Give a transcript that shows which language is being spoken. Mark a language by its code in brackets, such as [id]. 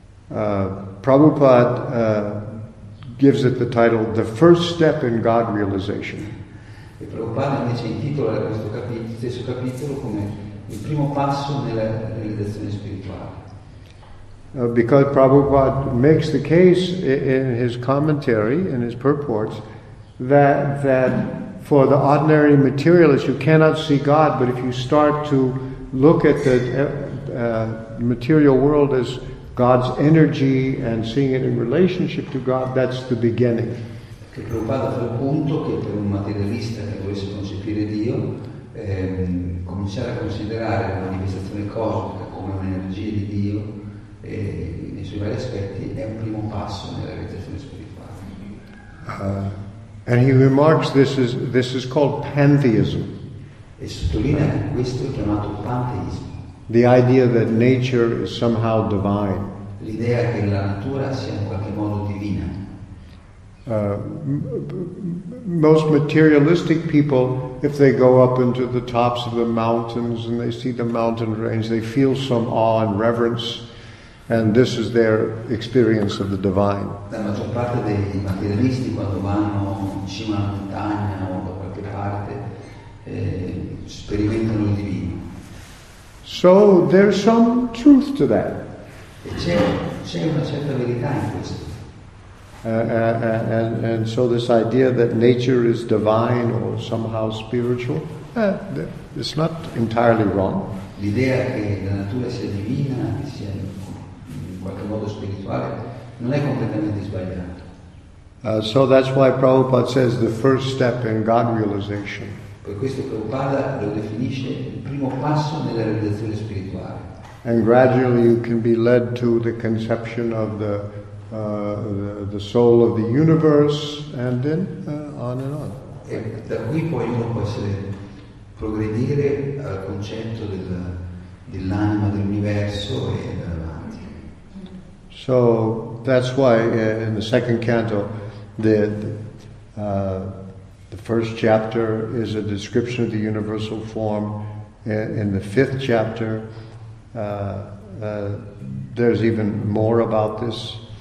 [en] Prabhupada gives it the title "The First Step in God Realization." [it] E Prabhupada invece intitola questo capitolo, stesso capitolo, come il primo passo nella realizzazione spirituale. [en] Because Prabhupada makes the case in his commentary, in his purports, that for the ordinary materialist you cannot see God, but if you start to look at the material world as God's energy and seeing it in relationship to God, that's the beginning. [it] Che Prabhupada fa il punto che per un materialista che dovesse concepire Dio, cominciare a considerare la manifestazione cosmica come un'energia di Dio. E nei suoi vari aspetti è un primo passo nella realizzazione spirituale. [en] And he remarks this is called pantheism. [it] E sottolinea che questo è chiamato panteismo. [en] The idea that nature is somehow divine. [it] L'idea che la natura sia in qualche modo divina. [en] Most materialistic people, if they go up into the tops of the mountains and they see the mountain range, they feel some awe and reverence. And this is their experience of the divine. [it] La maggior parte dei materialisti quando vanno in cima alla montagna o da qualche parte sperimentano il divino. [en] So there's some truth to that. [it] E c'è una certa verità in questo. [en] And so this idea that nature is divine or somehow spiritual, it's not entirely wrong. [it] L'idea che la natura sia divina, che sia modo spirituale non è completamente sbagliato. [en] So that's why Prabhupada says the first step in God realization. [it] Per questo Prabhupada lo definisce il primo passo nella realizzazione spirituale. [en] And gradually you can be led to the conception of the soul of the universe, and then on and on. [it] E da qui poi uno può essere progredire al concetto dell'anima dell'universo e [en] so that's why in the second canto, the first chapter is a description of the universal form. In the fifth chapter, there's even more about this.